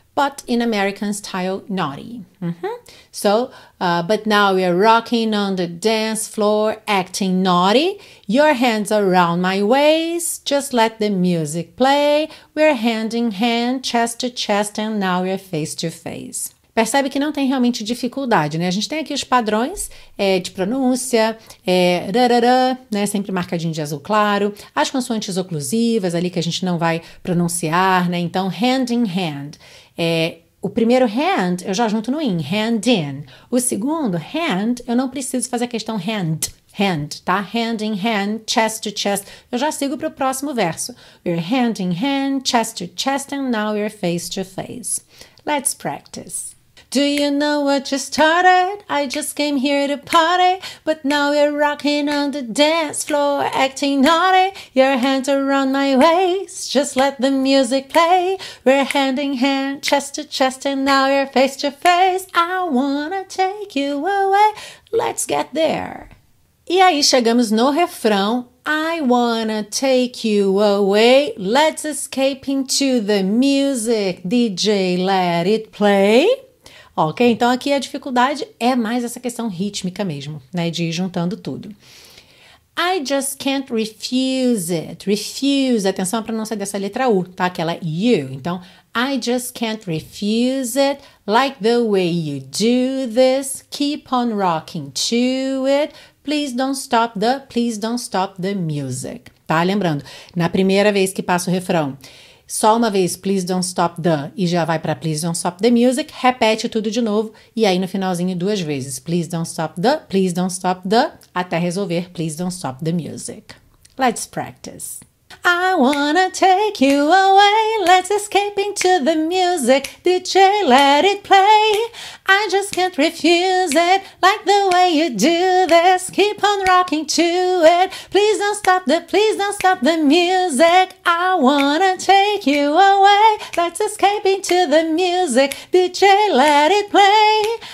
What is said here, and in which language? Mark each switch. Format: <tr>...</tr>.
<en>But in American style, naughty. Mm-hmm. So, but now we're rocking on the dance floor, acting naughty. Your hands around my waist, just let the music play. We're hand in hand, chest to chest, and now we're face to face.</en> <pt>Percebe que não tem realmente dificuldade, né? A gente tem aqui os padrões de pronúncia, rararã, né? Sempre marcadinho de azul claro. As consoantes oclusivas ali que a gente não vai pronunciar, né? Então,</pt> <en>hand in hand.</en> <pt>O primeiro hand eu já junto no in,</pt> <en>hand in.</en> <pt>O segundo, hand, eu não preciso fazer a questão hand, hand, tá?</pt> <en>Hand in hand, chest to chest.</en> <pt>Eu já sigo para o próximo verso.</pt> <en>We're hand in hand, chest to chest, and now we're face to face. Let's practice. Do you know what you started? I just came here to party, but now you're rocking on the dance floor, acting naughty. Your hands around my waist, just let the music play. We're hand in hand, chest to chest, and now you're face to face. I wanna take you away. Let's get there.</en> <pt>E aí chegamos no refrão.</pt> <en>I wanna take you away. Let's escape into the music. DJ, let it play.</en> <pt>Ok, então aqui a dificuldade é mais essa questão rítmica mesmo, né? De ir juntando tudo.</pt> <en>I just can't refuse it.</en> <pt>Refuse. Atenção à pronúncia dessa letra U, tá? Que ela é you. Então,</pt> <en>I just can't refuse it. Like the way you do this. Keep on rocking to it. Please don't stop the music.</en> <pt>Tá? Lembrando, na primeira vez que passa o refrão, só uma vez, please don't stop the, e já vai para</pt> <en>please don't stop the music,</en> <pt>repete tudo de novo, e aí no finalzinho duas vezes,</pt> <en>please don't stop the,</en> <pt>até resolver, please don't stop the music.</pt> <en>Let's practice. I wanna take you away, let's escape into the music, DJ let it play, I just can't refuse it, like the way you do this, keep on rocking to it, please don't stop the music, I wanna take you away, let's escape into the music, DJ let it play,</en>